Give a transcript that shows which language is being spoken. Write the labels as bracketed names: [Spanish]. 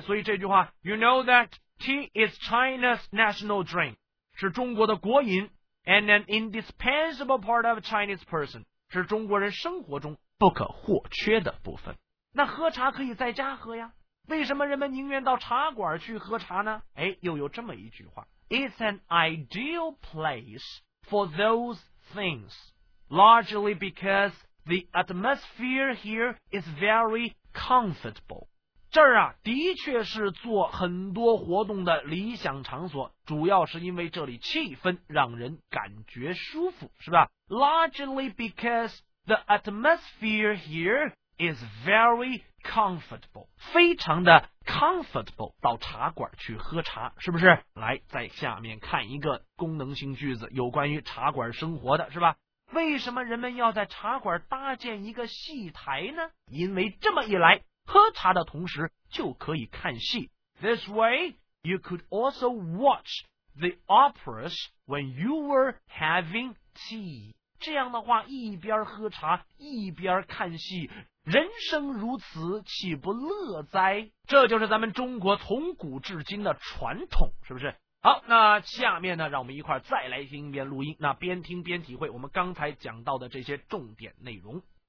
[Chinese] 所以这句话 ， [English] You know that tea is China's national drink， 是中国的国饮 ，and an indispensable part of Chinese person， [Chinese] 是中国人生活中不可或缺的部分。那喝茶可以在家喝呀，为什么人们宁愿到茶馆去喝茶呢？哎，又有这么一句话。 [English] It's an ideal place for those things, largely because the atmosphere here is very comfortable. [Chinese] 这儿啊，的确是做很多活动的理想场所，主要是因为这里气氛让人感觉舒服，是吧？ [English] Largely because the atmosphere here is very comfortable， [Chinese] 非常的 [English] comfortable， [Chinese] 到茶馆去喝茶，是不是？来，在下面看一个功能性句子，有关于茶馆生活的，是吧？为什么人们要在茶馆搭建一个戏台呢？因为这么一来，喝茶的同时就可以看戏。 [English] This way, you could also watch the operas when you were having tea. [Chinese] 这样的话，一边喝茶，一边看戏。人生如此，岂不乐哉？这就是咱们中国从古至今的传统，是不是？好，那下面呢，让我们一块再来听一遍录音，那边听边体会我们刚才讲到的这些重点内容。